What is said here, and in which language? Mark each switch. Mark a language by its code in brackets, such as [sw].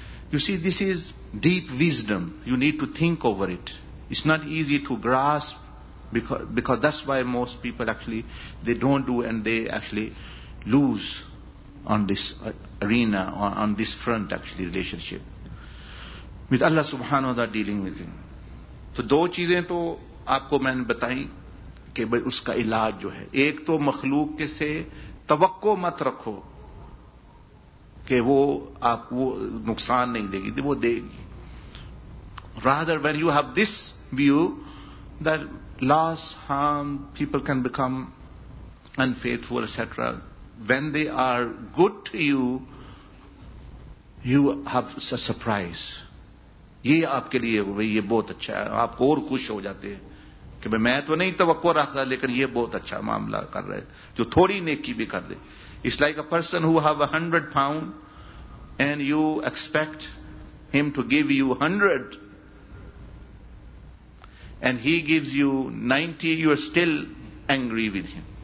[en] You see, this is deep wisdom. You need to think over it. It's not easy to grasp, because that's why most people actually, they don't do and they actually lose on this arena, on this front actually, relationship. With Allah subhanahu wa ta'ala dealing with him. [ur] تو دو چیزیں تو آپ کو میں نے بتائیں کہ بھئی اس کا علاج جو ہے، ایک تو مخلوق کے سے توقع مت رکھو کہ وہ آپ کو نقصان نہیں دے گی، وہ دے گی. [en] Rather when you have this view that loss, harm, people can become unfaithful etc. When they are good to you, you have a surprise. [ur] یہ آپ کے لیے بھائی یہ بہت اچھا ہے، آپ کو اور خوش ہو جاتے ہیں کہ میں تو نہیں توقع رکھ رہا لیکن یہ بہت اچھا معاملہ کر رہے ہیں، جو تھوڑی نیکی بھی کر دے. [en] It's like a person who have 100 pounds and you expect him to give you 100 and he gives you 90، you are still angry with him.